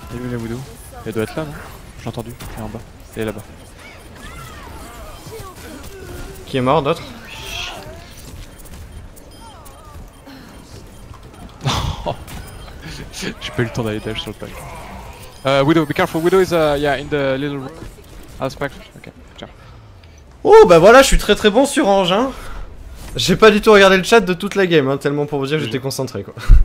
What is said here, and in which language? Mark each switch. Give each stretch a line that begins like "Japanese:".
French: Il est où la Widow? Elle doit être là non? J'ai entendu, elle est en bas. Elle est là-bas. Qui est mort d'autre? J'ai pas eu le temps d'aller dash sur le pack.
English: Widow, be careful, Widow is yeah, in the little room.
French: Ah, c'est pas grave. Ok, ciao. Oh bah voilà, je suis très très bon sur engin. J'ai pas du tout regardé le chat de toute la game, hein, tellement pour vous dire que j'étais concentré quoi.